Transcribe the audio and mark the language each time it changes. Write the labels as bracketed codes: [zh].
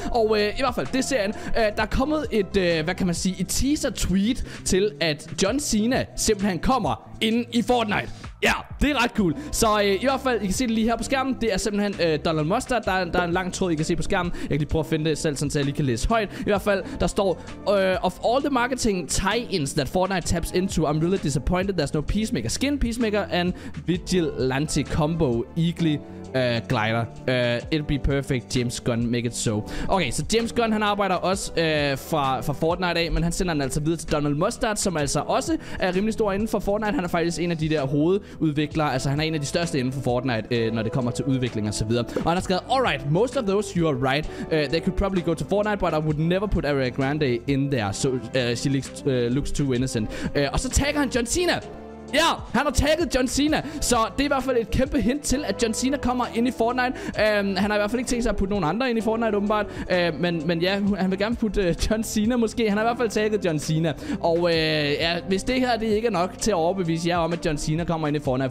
[da] Og i hvert fald, det er serien. Der er kommet et, hvad kan man sige, et teaser-tweet til, at John Cena simpelthen kommer ind i Fortnite. Ja, det er ret cool. Så i hvert fald, I kan se det lige her på skærmen. Det er simpelthen Donald Mustard. Der er en lang tråd, I kan se på skærmen. Jeg kan lige prøve at finde det selv, sådan, så jeg lige kan læse højt. I hvert fald, der står [en] of all the marketing tie-ins that Fortnite taps into, I'm really disappointed. There's no Peacemaker skin, Peacemaker and Vigilante combo Eagly glider. It'll be perfect. [da] James Gunn, [en] make it so. [da] Okay, så James Gunn, han arbejder også fra Fortnite af, men han sender den altså videre til Donald Mustard, som altså også er rimelig stor inden for Fortnite. Han er faktisk en af de der hovedudviklere. Altså, han er en af de største inden for Fortnite, når det kommer til udvikling og så videre. Og han har skrevet, [en] alright, most of those, you are right. They could probably go to Fortnite, but I would never put Ariana Grande in there, so she looks too innocent. [da] Og så tagger han John Cena. Ja, han har tagget John Cena. Så det er i hvert fald et kæmpe hint til, at John Cena kommer ind i Fortnite. Han har i hvert fald ikke tænkt sig at putte nogen andre ind i Fortnite, åbenbart. Men ja, han vil gerne putte John Cena måske. Han har i hvert fald tagget John Cena. Og ja, hvis det her det ikke er nok til at overbevise jer om, at John Cena kommer ind i Fortnite.